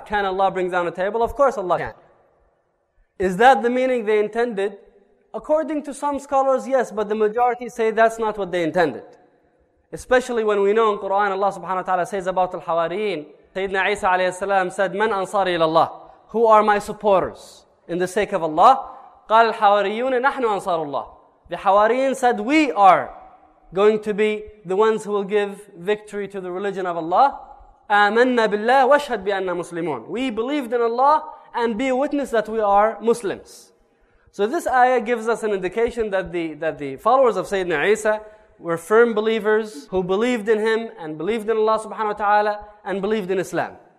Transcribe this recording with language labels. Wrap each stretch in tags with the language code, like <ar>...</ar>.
<en>Can Allah bring down a table? Of course Allah can. Is that the meaning they intended? According to some scholars, yes, but the majority say that's not what they intended. Especially when we know in Quran, Allah subhanahu wa ta'ala says about al-Hawariyin, Sayyidina Isa alayhi salam said,</en> <ar>Man ansari ilallah?</ar> <en>Who are my supporters in the sake of Allah?</en> <ar>قال الحواريون نحن أنصار الله.</ar> <en>The Hawariyin said, we are going to be the ones who will give victory to the religion of Allah.</en> <ar>آمَنَّا بِاللَّهِ وَاشْهَدْ بِأَنَّا مُسْلِمُونَ.</ar> <en>We believed in Allah and be a witness that we are Muslims. So this ayah gives us an indication that the followers of Sayyidina Isa were firm believers who believed in him and believed in Allah subhanahu wa ta'ala and believed in Islam.</en>